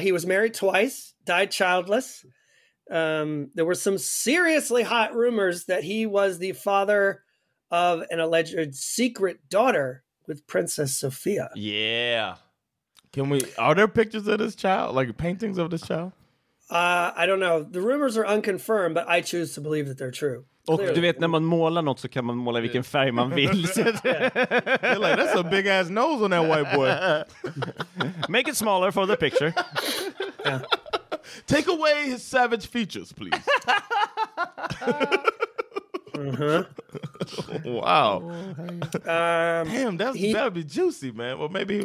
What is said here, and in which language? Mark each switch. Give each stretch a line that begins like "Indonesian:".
English: He was married twice, died childless. There were some seriously hot rumors that he was the father of an alleged secret daughter with Princess Sophia. Yeah. Are there pictures of this child? Like paintings of this child? I don't know. The rumors are unconfirmed, but I choose to believe that they're true.
Swedish: Och du vet, när man målar något så kan man måla vilken färg man vill.
English: You're like, that's a big ass nose on that white boy. Make it smaller for the picture. Yeah. Take away his savage features, please. Uh-huh. Wow. Damn, that'd be juicy, man. Well, maybe